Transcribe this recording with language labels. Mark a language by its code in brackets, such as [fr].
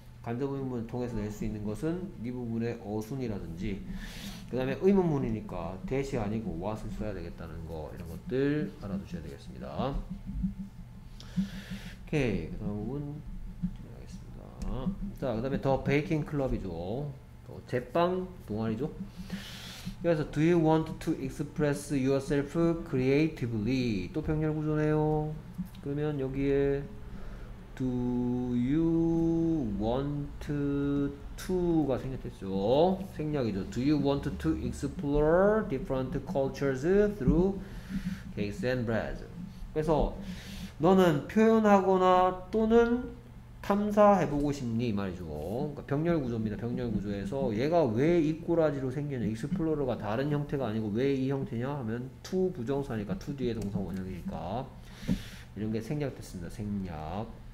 [ko] 간접 의문 통해서 낼 수 있는 것은 이 부분의 어순이라든지 그 다음에 의문문이니까 대시 아니고 what을 써야 되겠다는 거 이런 것들 알아두셔야 되겠습니다. 오케이. 그 다음은 하겠습니다. 자, 그 다음에 더 베이킹 클럽이죠. 더 제빵 동아리죠. [en] 그래서 Do you want to express yourself creatively? [ko] 또 병렬 구조네요. 그러면 여기에 [en] Do you want to [ko] 가 생략됐죠. 생략이죠. [en] Do you want to explore different cultures through cakes and bread? [ko] 그래서 너는 표현하거나 또는 탐사해보고 싶니 말이죠. 그러니까 병렬 구조입니다. 병렬 구조에서 얘가 왜 이 꼬라지로 생겼냐, 익스플로러가 다른 형태가 아니고 왜 이 형태냐 하면 to 부정사니까 to 뒤에 동사 원형이니까 이런 게 생략됐습니다. 생략.